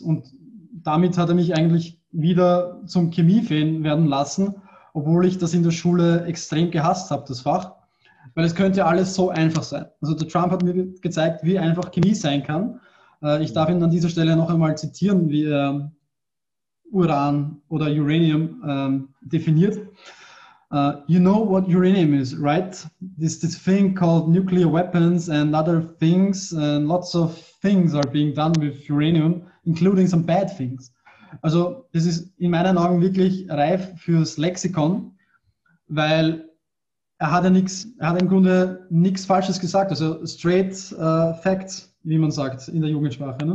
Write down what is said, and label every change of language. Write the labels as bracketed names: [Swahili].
[German] Und damit hat er mich eigentlich wieder zum Chemiefan werden lassen, obwohl ich das in der Schule extrem gehasst habe, das Fach. Weil es könnte alles so einfach sein. Also der Trump hat mir gezeigt, wie einfach Chemie sein kann. Ich darf ihn an dieser Stelle noch einmal zitieren, Uran oder Uranium definiert. [English] You know what uranium is, right? This thing called nuclear weapons and other things, and lots of things are being done with uranium, including some bad things. [German] Also, das ist in meinen Augen wirklich reif fürs Lexikon, weil er hat im Grunde nichts Falsches gesagt. Also, [English] straight facts, [German] wie man sagt in der Jugendsprache.